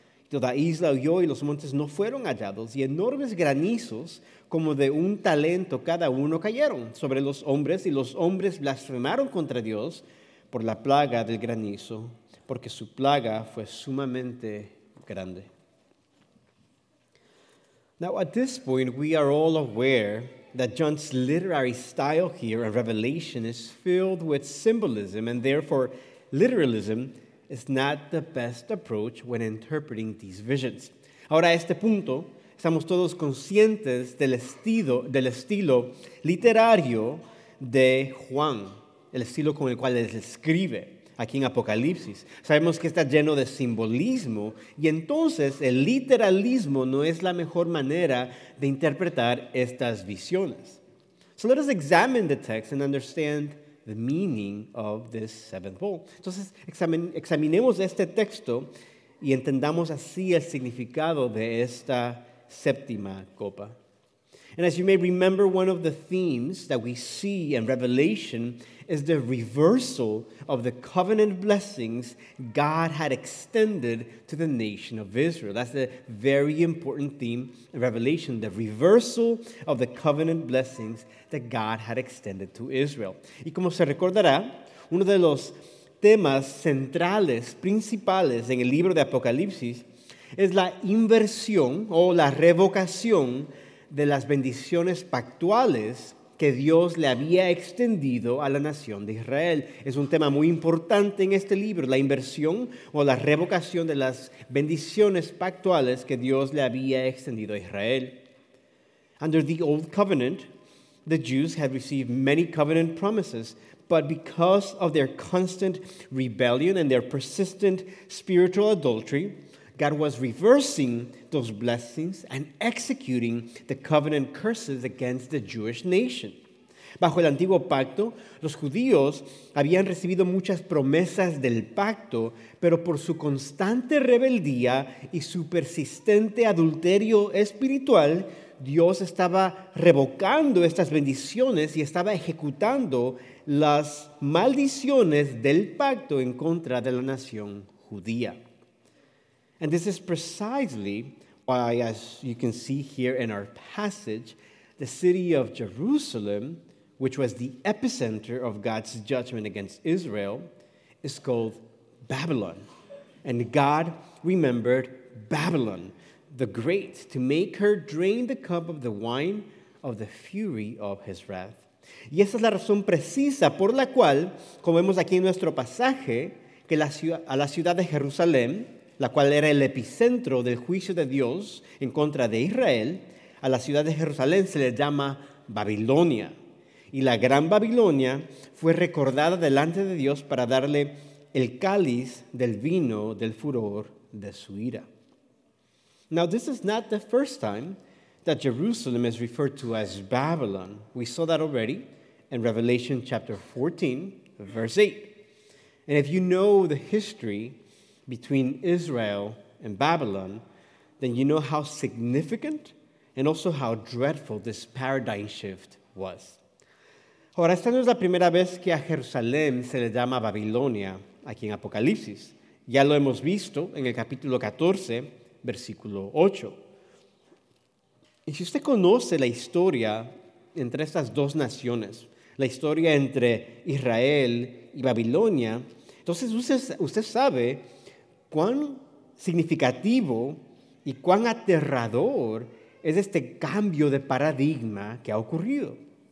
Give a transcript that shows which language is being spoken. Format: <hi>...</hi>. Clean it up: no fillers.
<es>Toda isla huyó y los montes no fueron hallados, y enormes granizos como de un talento cada uno cayeron sobre los hombres, y los hombres blasfemaron contra Dios por la plaga del granizo, porque su plaga fue sumamente grande.</es> <en>Now, at this point, we are all aware that John's literary style here in Revelation is filled with symbolism, and therefore, literalism is not the best approach when interpreting these visions.</en> <es>Ahora, a este punto, estamos todos conscientes del estilo literario de Juan, el estilo con el cual él escribe aquí en Apocalipsis. Sabemos que está lleno de simbolismo, y entonces el literalismo no es la mejor manera de interpretar estas visiones.</es> <en>So let us examine the text and understand the meaning of this seventh bowl.</en> <es>Entonces examinemos este texto y entendamos así el significado de esta séptima copa.</es> <en>And as you may remember, one of the themes that we see in Revelation is the reversal of the covenant blessings God had extended to the nation of Israel. That's a very important theme in Revelation, the reversal of the covenant blessings that God had extended to Israel.</en> <es>Y como se recordará, uno de los temas centrales, principales en el libro de Apocalipsis es la inversión o la revocación de las bendiciones pactuales que Dios le había extendido a la nación de Israel. Es un tema muy importante en este libro, la inversión o la revocación de las bendiciones pactuales que Dios le había extendido a Israel.</es> <en>Under the old covenant, the Jews had received many covenant promises, but because of their constant rebellion and their persistent spiritual adultery, God was reversing those blessings and executing the covenant curses against the Jewish nation.</en> <es>Bajo el antiguo pacto, los judíos habían recibido muchas promesas del pacto, pero por su constante rebeldía y su persistente adulterio espiritual, Dios estaba revocando estas bendiciones y estaba ejecutando las maldiciones del pacto en contra de la nación judía.</es> <en>And this is precisely why, as you can see here in our passage, the city of Jerusalem, which was the epicenter of God's judgment against Israel, is called Babylon. And God remembered Babylon the Great to make her drain the cup of the wine of the fury of his wrath.</en> <es>Y esa es la razón precisa por la cual, como vemos aquí en nuestro pasaje, que a la ciudad de Jerusalén, la cual era el epicentro del juicio de Dios en contra de Israel, a la ciudad de Jerusalén se le llama Babilonia. Y la gran Babilonia fue recordada delante de Dios para darle el cáliz del vino del furor de su ira.</es> <en>Now, this is not the first time that Jerusalem is referred to as Babylon. We saw that already in Revelation chapter 14, verse 8. And if you know the history between Israel and Babylon, then you know how significant and also how dreadful this paradigm shift was.</en> <es>Ahora, esta no es la primera vez que a Jerusalén se le llama Babilonia aquí en Apocalipsis. Ya lo hemos visto en el capítulo 14, versículo 8. Y si usted conoce la historia entre estas dos naciones, la historia entre Israel y Babilonia, entonces usted sabe cuán significativo y cuán aterrador es este cambio de paradigma que ha ocurrido.</es>